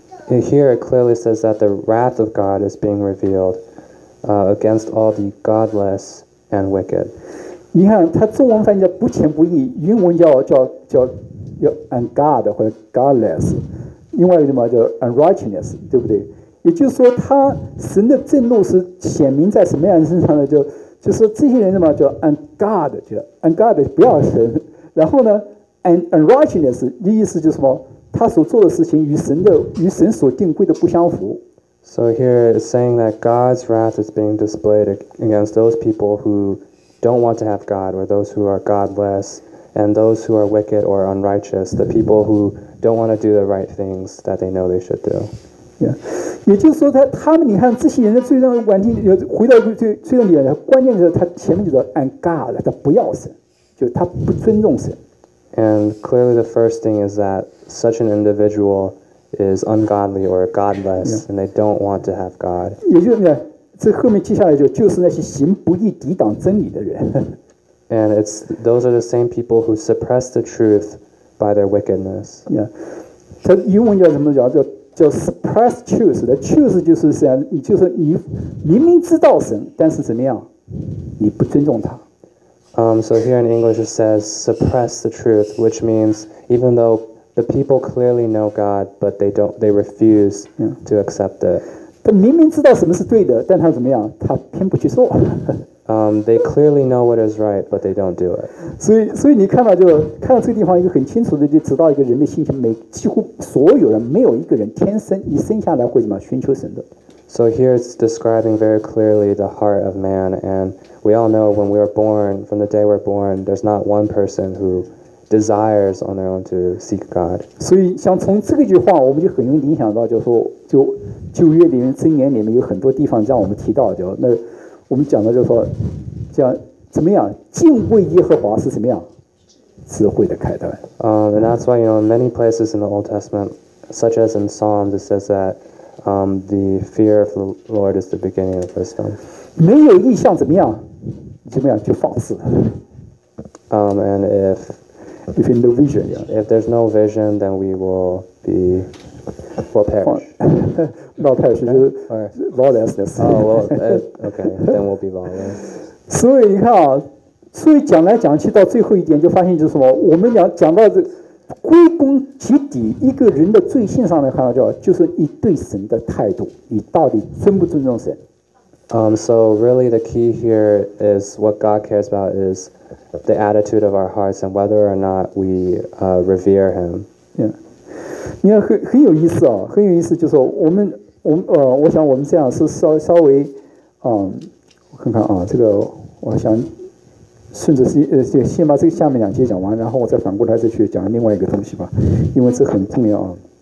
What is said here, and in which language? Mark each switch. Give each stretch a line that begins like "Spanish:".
English: And here it clearly says that the wrath of God is being revealed against all the godless and wicked.
Chinese: 你看，它中文翻译叫不前不义，英文叫 ungod 或者 godless， 另外一个什么叫 unrighteousness， 对不对？也就是说，他神的震怒是显明在什么样的身上呢？就是这些人什么叫 ungod， 就 ungod 不要神，然后呢 unrighteousness 的意思就是什么？他所做的事情与神所定规的不相符。
English: So here it's saying that God's wrath is being displayed against those people whodon't want to have God, or those who are godless, and those who are wicked or unrighteous, the people who don't want to do the right things that they know they should do. Yeah.
Chinese: 也就是说他们你看这些人的最大的问题回到最重点的关键是他前面就是 ungod, 他不要神，就他不尊重神。
English: And clearly the first thing is that such an individual is ungodly or godless, yeah. And they don't want to have God.
Chinese: 也就是这后面接下来就是那些行不义抵挡真理的人。
English: And it's those are the same people who suppress the truth by their wickedness. Yeah.
Chinese: 它英文叫什么叫
English: suppress truth. The truth
Chinese: 就是这样，你就是你明明知道神，但是怎么样，你不尊重他。
English: So here in English it says suppress the truth, which means even though the people clearly know God, but they refuse to accept it.
Chinese: 他明明知道什么是对的，但他怎么样？他偏不去做。
English: they clearly know what is right, but they don't do it.
Chinese: 所以你看到就看到这个地方一个很清楚的，就知道一个人的心情，几乎所有人没有一个人天生一生下来会怎么寻求神的。
English: So here it's describing very clearly the heart of man, and we all know when we are born, from the day we're born, there's not one person who desires on their own to seek God.
Chinese: 所以像从这个句话，我们就很容易联想到，就是说就。旧约里面箴言里面有很多地方让我们提到，就那我们讲的就是说，讲怎么样敬畏耶和华是什么样智慧的开端。
English: And that's why you know in many places in the Old Testament, such as in Psalms, it says that the fear of the Lord is the beginning of wisdom.
Chinese: 没有意向怎么样，怎么样就放肆。
English: And if no vision, yeah. If there's no vision, then we will be. We'll perish. Not perish, just lawlessness. Oh, well, okay, then we'll be lawless.
Chinese: 所以你看啊，所以讲来讲去到最后一点就发现就是什么，我们讲到这归根结底一个人的罪性上来看到就是你对神的态度，你到底尊不尊重神。
English: So really the key here is what God cares about is the attitude of our hearts and whether or not we revere him. Yeah.
Chinese: 你看很有意思啊，很有意思，就是我想我们这样是稍微，我看看啊，这个我想顺着先把这个下面两节讲完，然后我再反过来再去讲另外一个东西吧，因为这很重要啊。